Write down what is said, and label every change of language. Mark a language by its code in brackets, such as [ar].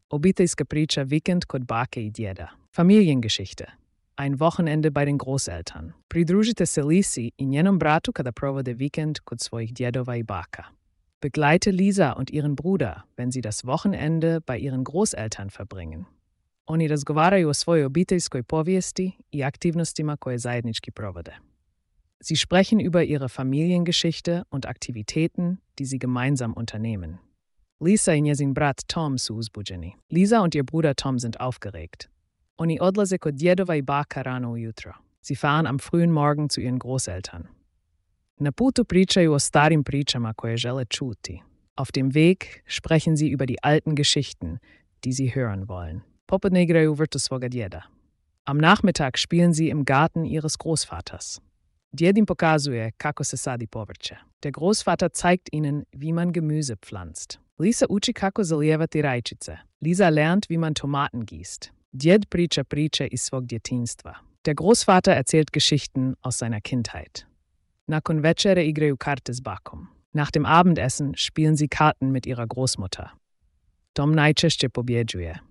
[hr] Obiteljska priča vikend kod bake i djeda. Familiengeschichte. [de] Ein Wochenende bei den Großeltern. [hr] Pridružite se Lisi i njenom bratu kada provode vikend kod svojih djedova i baka. [de] Begleite Lisa und ihren Bruder, wenn sie das Wochenende bei ihren Großeltern verbringen. [hr] Oni razgovaraju o svojoj obiteljskoj povijesti i aktivnostima koje zajednički provode. [de] Sie sprechen über ihre Familiengeschichte und Aktivitäten, die sie gemeinsam unternehmen. [hr] Lisa i njezin brat Tom su uzbuđeni. [de] Lisa und ihr Bruder Tom sind aufgeregt. [hr] Oni odlaze kod djedova i baka rano ujutro. [de] Sie fahren am frühen Morgen zu ihren Großeltern. [hr] Na putu pričaju o starim pričama koje žele čuti. [de] Auf dem Weg sprechen sie über die alten Geschichten, die sie hören wollen. [hr] Popodne igraju virtu svoga djeda. [de] Am Nachmittag spielen sie im Garten ihres Großvaters. [hr] Djed im pokazuje kako se sadi povrće. [de] Der Großvater zeigt ihnen, wie man Gemüse pflanzt. [hr] Lisa uči kako zalijevati rajčice. [de] Lisa lernt, wie man Tomaten gießt. [hr] Djed priča priče iz svog djetinjstva. [de] Der Großvater erzählt Geschichten aus seiner Kindheit. [hr] Nakon večere igraju karte s bakom. [de] Nach dem Abendessen spielen sie Karten mit ihrer Großmutter. [hr] Tom najčešće pobjeđuje.